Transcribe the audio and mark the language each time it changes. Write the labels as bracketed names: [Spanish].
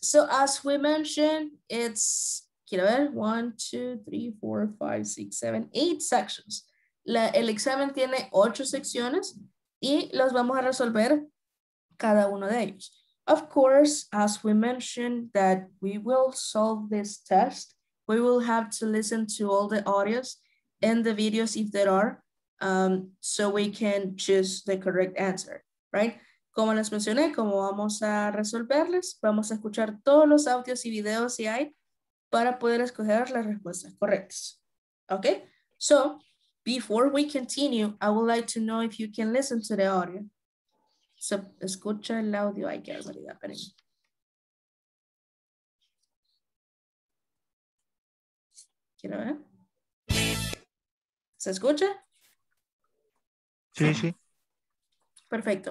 [English] So as we mentioned, it's, [Spanish] quiero ver, [English] 1, 2, 3, 4, 5, 6, 7, 8 sections. [Spanish] El examen tiene 8 secciones y los vamos a resolver cada uno de ellos. [English] Of course, as we mentioned that we will solve this test, we will have to listen to all the audios and the videos if there are, so we can choose the correct answer, right? [Spanish] Como les mencioné, como vamos a resolverles, vamos a escuchar todos los audios y videos si hay para poder escoger las respuestas correctas. [English] Okay? So, before we continue, I would like to know if you can listen to the audio. [Spanish] So, escucha el audio, hay que validar, esperen. ¿Quiero ver? ¿Se escucha? Sí, sí. Perfecto.